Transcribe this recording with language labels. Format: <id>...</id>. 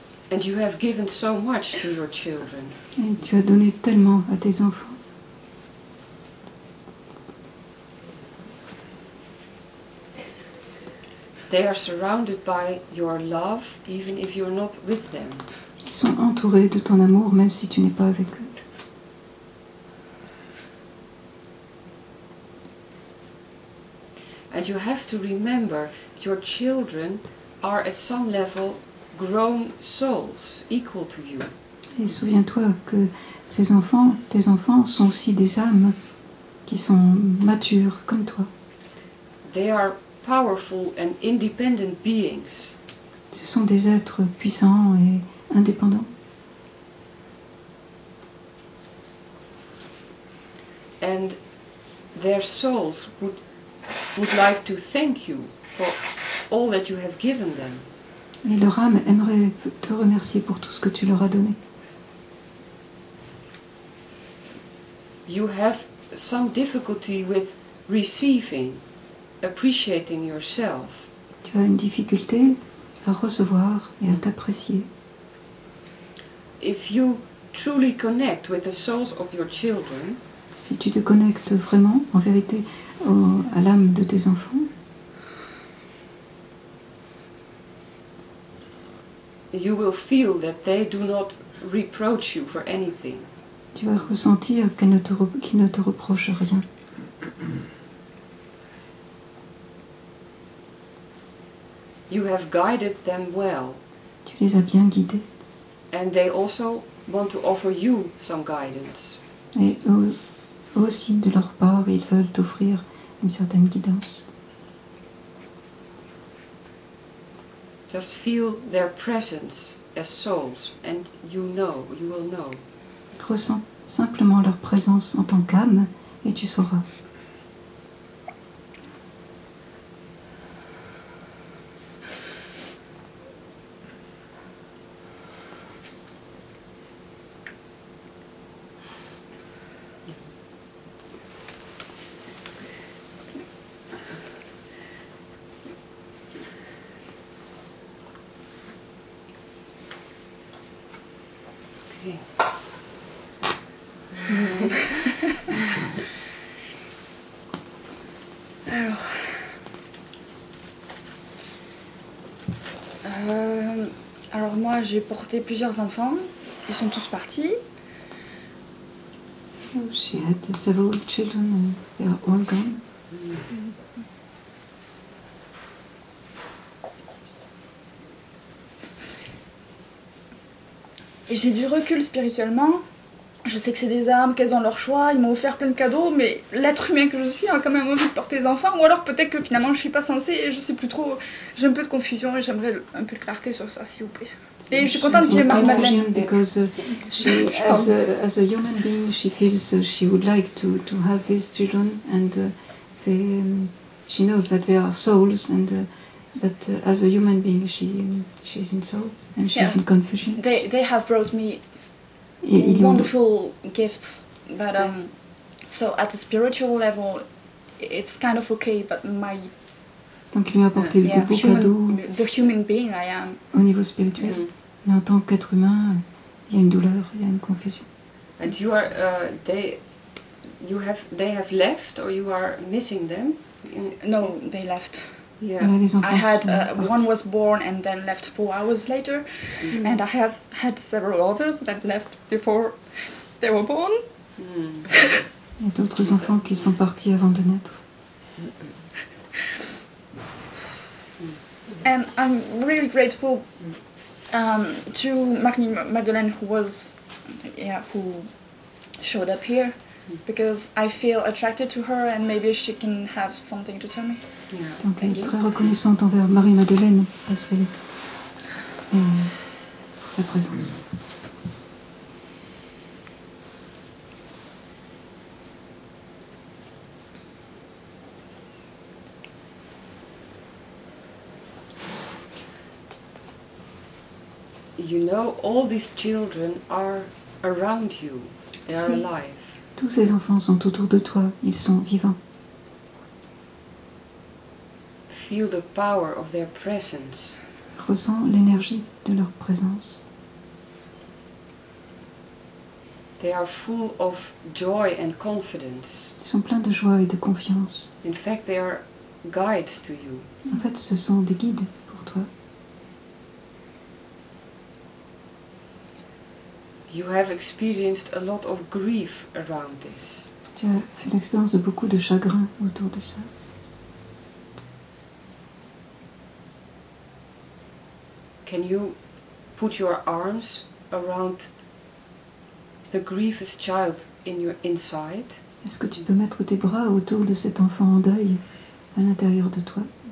<en>And you have given so much to your children.</en> <fr>Et tu as donné tellement à tes enfants.</fr> <en>They are surrounded by your love, even if you're not with them.</en> <fr>Ils sont entourés de ton amour, même si tu n'es pas avec eux.</fr> <en>And you have to remember, your children are at some level grown souls, equal to you.</en> <fr>Et souviens-toi que ces enfants, tes enfants, sont aussi des âmes qui sont matures comme toi.</fr> <en>They are powerful and independent beings.</en> <fr>Ce sont des êtres puissants et indépendants.</fr> <en>And their souls would like to thank you for all that you have given them.</en> <fr>Et leur âme aimerait te remercier pour tout ce que tu leur as donné.</fr> <en>You have some difficulty with receiving, appreciating yourself.</en> <fr>Tu as une difficulté à recevoir et à t'apprécier.</fr> <en>If you truly connect with the souls of your children,</en> <fr>si tu te connectes vraiment, en vérité, à l'âme de tes enfants,</fr> <en>you will feel that they do not reproach you for anything.</en> <fr>Tu vas ressentir qu'ils ne te reprochent rien.</fr> <en>You have guided them well.</en> <fr>Tu les as bien guidés.</fr> <en>And they also want to offer you some guidance.</en> <fr>Et eux aussi, de leur part, ils veulent t'offrir une certaine guidance.</fr> <en>Just feel their presence as souls, and you know, you will know.</en> <fr>Ressens simplement leur présence en tant qu'âme, et tu sauras. Alors moi j'ai porté plusieurs enfants, ils sont tous partis.</fr> <en>She had several children and they are all gone.</en> <fr>Et j'ai du recul spirituellement. Je sais que c'est des âmes, qu'elles ont leur choix, ils m'ont offert plein de cadeaux, mais l'être humain que je suis a quand même envie de porter des enfants, ou alors peut-être que finalement je suis pas censée et je sais plus trop. J'ai un peu de confusion et j'aimerais un peu de clarté sur ça, s'il vous plaît. Et je suis contente qu'il y ait Marie-Madeleine.</fr> <en>Because she, as a human being, she feels she would like to have these children, and she knows that they are souls, and but as a human being, she's in soul and she's in confusion. They have brought me wonderful gifts, but so at a spiritual level, it's kind of okay. But my</en> <fr>donc il m'a apporté des beaux cadeaux.</fr> <en>The human being I am.</en> <fr>Au niveau spirituel, mais en tant qu'être humain, il y a une douleur, il y a une confusion.</fr> <en>And you are they have left, or you are missing them? No, they left. Yeah, I had one was born and then left 4 hours later, mm-hmm. and I have had several others that left before they were born. Mm.</en> <fr>Et d'autres enfants qui sont partis avant de naître.</fr> <en>And I'm really grateful to Marie Madeleine who showed up here, because I feel attracted to her and maybe she can have something to tell me. Yeah.</en> <fr>Donc elle est très reconnaissante envers Marie-Madeleine parce qu'elle pour sa présence.</fr> <en>You know, all these children are around you. They are alive.</en> <fr>Tous ces enfants sont autour de toi, ils sont vivants.</fr> <en>Feel the power of their presence.</en> <fr>Ressens l'énergie de leur présence.</fr> <en>They are full of joy and confidence.</en> <fr>Ils sont pleins de joie et de confiance.</fr> <en>In fact, they are guides to you.</en> <fr>En fait, ce sont des guides pour toi.</fr> <en>You have experienced a lot of grief around this.</en> <fr>Tu as fait l'expérience de beaucoup de chagrin autour de ça.</fr> <en>Can you put your arms around the grievous child in your inside?</en> <fr>Est-ce que tu peux mettre tes bras autour de cet enfant en deuil à l'intérieur de toi?</fr>